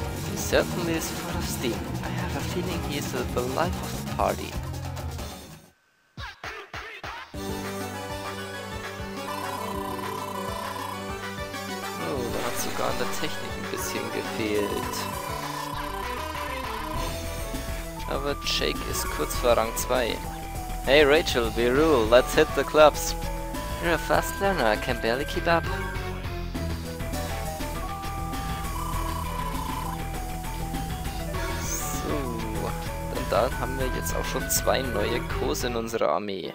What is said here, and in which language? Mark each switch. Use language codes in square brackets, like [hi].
[en] He certainly is full of steam. I have a feeling he's the life of the party. [de] Oh, da hat sogar an der Technik ein bisschen gefehlt. Aber Jake ist kurz vor Rang 2. [en] Hey Rachel, we rule, let's hit the clubs. You're a fast learner, I can barely keep up. [de] So, dann haben wir jetzt auch schon zwei neue Co's in unserer Armee.